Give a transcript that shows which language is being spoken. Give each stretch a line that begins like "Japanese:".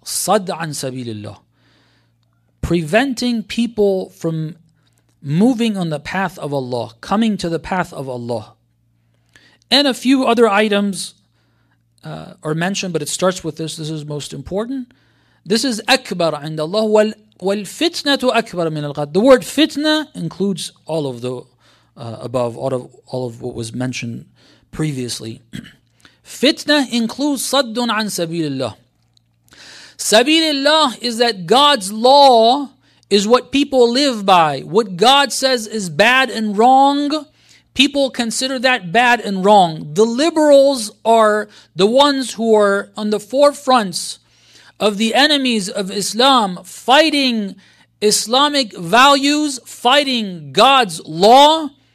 Arabic: صد عن سبيل الله.
English: Preventing people from moving on the path of Allah, coming to the path of Allah. And a few other items are mentioned, but it starts with this. This is most important. This is
Arabic: أكبر عند الله والفتنة أكبر من القتل.
English: The word fitna includes all of the above, all of what was mentioned previously. Fitna includes
Arabic: صدٌ عن سبيل الله.
English: سبيل الله is that God's law is what people live by. What God says is bad and wrong, people consider that bad and wrong. The liberals are the ones who are on the forefronts of the enemies of Islam, fighting Islamic values, fighting God's law.